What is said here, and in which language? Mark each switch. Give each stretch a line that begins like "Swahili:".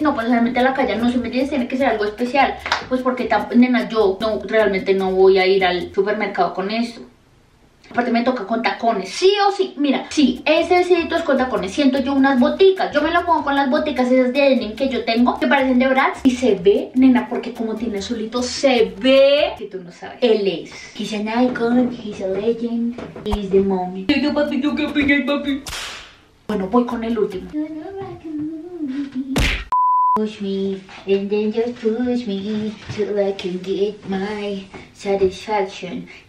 Spanish: No, pues realmente a la calle no, si me tienes, tiene que ser algo especial. Pues porque, nena, yo no, realmente no voy a ir al supermercado con esto. Aparte me toca con tacones, sí o sí. Mira, sí, ese vestidito es con tacones. Siento yo unas boticas, yo me lo pongo con las boticas esas de denim que yo tengo, que parecen de brats. Y se ve, nena, porque como tiene solito, se ve. Si tú no sabes, él es.
English: He's an icon, he's a legend, he's the mommy.
Spanish: ¿Qué pasa, papi? ¿Qué pasa, papi? Bueno, voy con el último.
English: Push me, and then just push me, so I can get my satisfaction.